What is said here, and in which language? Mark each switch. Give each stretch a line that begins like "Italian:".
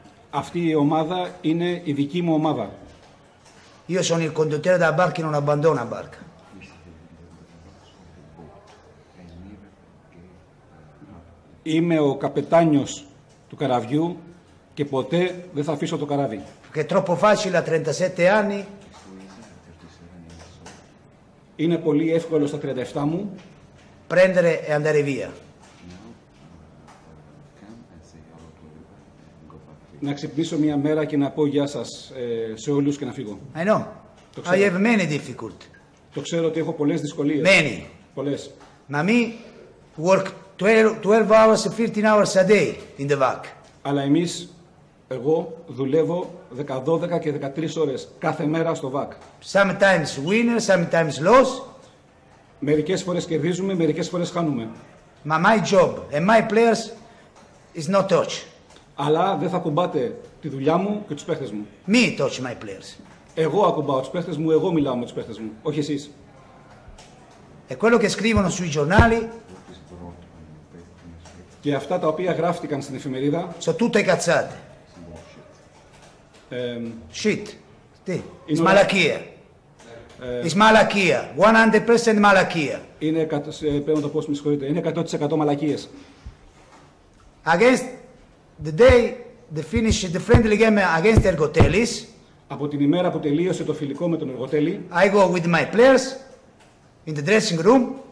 Greek: Αυτή η ομάδα είναι η δική μου ομάδα.
Italian: Io sono il conduttore della barca e non abbandono la barca.
Greek: Είμαι ο καπετάνιος του καραβιού και ποτέ δεν θα αφήσω το καράβι.
Italian: Che troppo facile a 37 anni.
Greek: Είναι πολύ εύκολο στα 37 μου.
Italian: Prendere e andare via.
Greek: Να ξυπνήσω μια μέρα και να πω γεια σας σε όλους και να φύγω.
English: I know.
Greek: Το ξέρω.
English: I have many difficulties.
Greek: Το ξέρω ότι έχω πολλές δυσκολίες.
English: Many.
Greek: Πολλές.
English: Ma me work 12 hours, 15 hours a day in the VAC.
Greek: Αλλά εμείς, εγώ δουλεύω 12 και 13 ώρες κάθε μέρα στο VAC.
English: Sometimes winner, sometimes loss.
Greek: Μερικές φορές κερδίζουμε, μερικές φορές χάνουμε.
English: Ma my job and my players is not touch.
Greek: Αλλά δεν θα ακουμπάτε τη δουλειά μου και τους παίχτες μου.
English: Me touch my players.
Greek: Εγώ ακουμπάω τους παίχτες μου, εγώ μιλάω με τους παίχτες μου, όχι εσείς.
Italian: E quello che scrivono sui giornali.
Greek: Και αυτά τα οποία γράφτηκαν στην εφημερίδα. Σε τούτα οι κατσάτε.
English: Shit.
Greek: Τι. Είναι μαλακία. Είναι μαλακία. 100% μαλακία. Είναι 100% πώς με συγχωρείτε. Είναι 100% μαλακίες.
English: Against the day the finish the friendly game against Ergotelis.
Greek: Από την ημέρα που τελείωσε το φιλικό με τον Εργοτέλη.
English: I go with my players in the dressing room.